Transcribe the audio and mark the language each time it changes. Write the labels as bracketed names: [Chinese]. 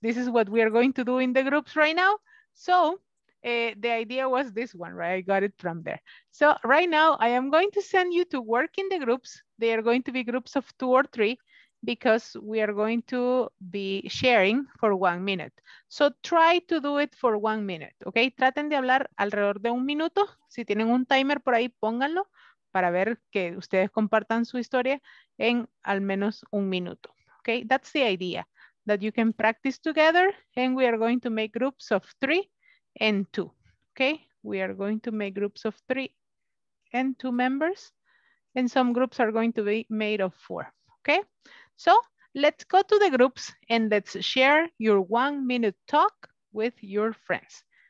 [English] This is what we are going to do in the groups right now. So the idea was this one, right? I got it from there. So right now I am going to send you to work in the groups. They are going to be groups of two or three, because we are going to be sharing for 1 minute. So try to do it for 1 minute, okay? [Spanish] Traten de hablar alrededor de un minuto. Si tienen un timer por ahí, pónganlo para ver que ustedes compartan su historia en al menos un minuto, okay? [English] That's the idea, that you can practice together, and we are going to make groups of three and two, okay? We are going to make groups of three and two members, and some groups are going to be made of four, okay? So let's go to the groups and let's share your 1 minute talk with your friends.